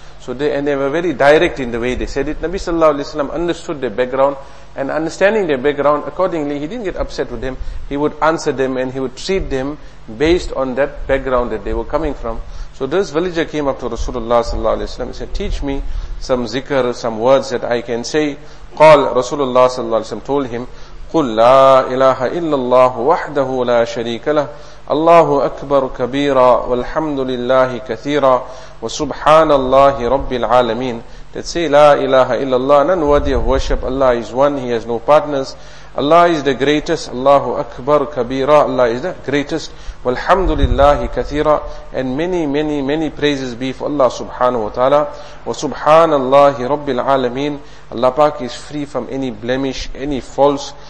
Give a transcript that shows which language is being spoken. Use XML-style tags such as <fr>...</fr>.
<en>So they were very direct in the way they said it. Nabi sallallahu alayhi wa sallam understood their background, and understanding their background, accordingly, he didn't get upset with them. He would answer them and he would treat them based on that background that they were coming from. So this villager came up to Rasulullah sallallahu alayhi wa sallam and said, teach me some zikr, some words that I can say.</en> <ar>Qal, Rasulullah sallallahu alayhi wa sallam</ar> <en>told him,</en> <ar>قُلْ لَا إِلَهَ إِلَّا اللَّهُ وَحْدَهُ لَا شَرِيكَ لَهُ اللَّهُ أَكْبَرُ كَبِيرًا وَالْحَمْدُ لِلَّهِ كَثِيرًا وَسُبْحَانَ اللَّهِ رَبِّ الْعَالَمِينَ.</ar> <en>That say,</en> <ar>La ilaha illallah,</ar> <en>none worthy of worship. Allah is one, He has no partners. Allah is the greatest.</en> <ar>Allahu Akbar Kabira.</ar> <en>Allah is the greatest.</en> <ar>Walhamdulillahi Kathira.</ar> <en>And many, many, many praises be for Allah subhanahu wa ta'ala.</en> <ar>Wa subhanallahi rabbil alameen.</ar> <en>Allah Pak is free from any blemish, any false.</en>